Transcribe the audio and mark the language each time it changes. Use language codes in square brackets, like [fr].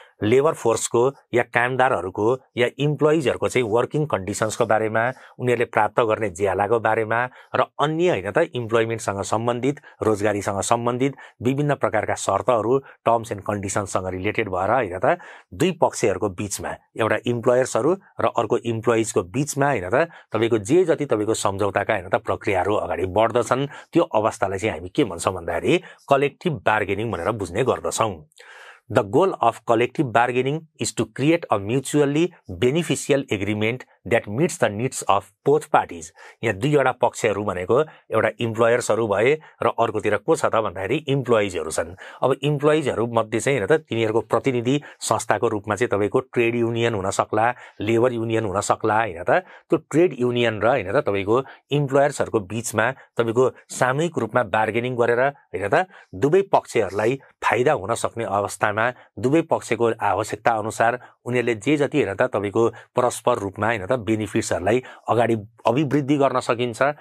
[ne] Labour फोर्सको या कामदारहरूको या इम्प्लोइजहरूको चाहिँ working कन्डिसन्सको बारेमा, उनीहरूले प्राप्त गर्ने ज्यालाको बारेमा र अन्य, होइन त, इम्प्लोइमेन्टसँग सम्बन्धित, रोजगारीसँग सम्बन्धित विभिन्न प्रकारका शर्तहरू, टर्म्स एन्ड कन्डिसन्ससँग रिलेटेड भएर, होइन त, दुई पक्षहरूको बिचमा, एउटा इम्प्लोयर्सहरू र अर्को इम्प्लोइजको बिचमा, होइन त, तपाईँको जे जति तपाईँको सम्झौताका, होइन त, प्रक्रियाहरू अगाडि बढ्दछन् त्यो अवस्थालाई चाहिँ हामी के भन्छौँ भन्दाखेरि कलेक्टिभ बार्गेनिङ भनेर बुझ्ने गर्दछौँ। [en] The goal of collective bargaining is to create a mutually beneficial agreement that meets the needs of both parties. [ne] यहाँ दुईवटा पक्षहरू भनेको एउटा इम्प्लोयर्सहरू भए र अर्कोतिर को छ त भन्दाखेरि इम्प्लोइजहरू छन्। अब इम्प्लोइजहरू मध्ये चाहिँ, होइन त, तिनीहरूको प्रतिनिधि संस्थाको रूपमा चाहिँ तपाईँको ट्रेड युनियन हुनसक्ला, लेबर युनियन हुनसक्ला, होइन त, त्यो ट्रेड युनियन र, होइन त, तपाईँको इम्प्लोयर्सहरूको बिचमा तपाईँको सामूहिक रूपमा बार्गेनिङ गरेर, होइन त, दुवै पक्षहरूलाई फाइदा हुन सक्ने अवस्थामा, दुवै पक्षको आवश्यकता अनुसार उनीहरूले जे जति, होइन त, तपाईँको परस्पर रूपमा, होइन त, बेनिफिट्सहरूलाई अगाडि अभिवृद्धि गर्न सकिन्छ,